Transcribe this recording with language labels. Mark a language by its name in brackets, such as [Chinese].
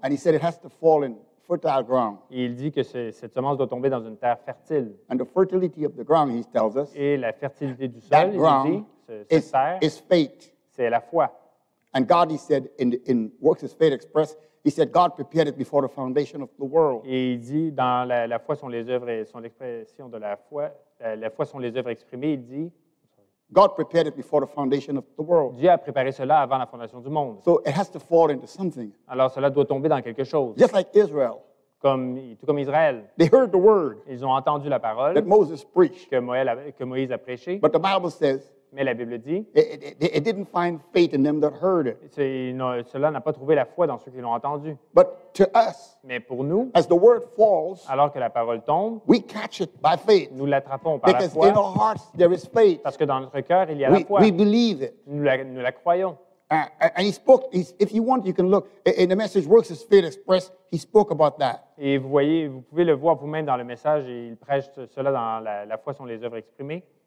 [English] And he said it has to fall in fertile ground. [French] Et il dit que cette semence doit tomber dans une terre fertile. [English] And the fertility of the ground, he tells us. [French] Et la fertilité du sol, il dit, [English] is faith. [French] C'est la foi. [English] And God, he said, in Works as Faith Express, he said God prepared it before the foundation of the world. [French] Et il dit dans la foi sont les œuvres et sont l'expression de la foi. La foi sont les œuvres exprimées. Il dit. [English] God prepared it before the foundation of the world. [French] Dieu a préparé cela avant la fondation du monde. [English] So it has to fall into something. [French] Alors cela doit tomber dans quelque chose. [English] Just like Israel. [French] Tout comme Israël. [English] They heard the word. [French] Ils ont entendu la parole. [English] That Moses preached. [French] Que Moïse a prêché. [English] But the Bible says. [French] Mais la Bible dit. [English] It didn't find faith in them that heard it. [French] Cela n'a pas trouvé la foi dans ceux qui l'ont entendu. [English] But to us. [French] Mais pour nous. [English] As the word falls. [French] Alors que la parole tombe. [English] We catch it by faith. [French] Nous l'attrapons par [English] because [French] la foi. [English] In our hearts there is faith. [French] Parce que dans notre cœur il y a la foi. [English] We believe it. [French] Nous la croyons. [English] And he spoke. If you want, you can look in the message Works as Faith Express. He spoke about that. [French] Et vous voyez, vous pouvez le voir vous-même dans le message. Il prêche cela dans la foi sont les œuvres exprimées.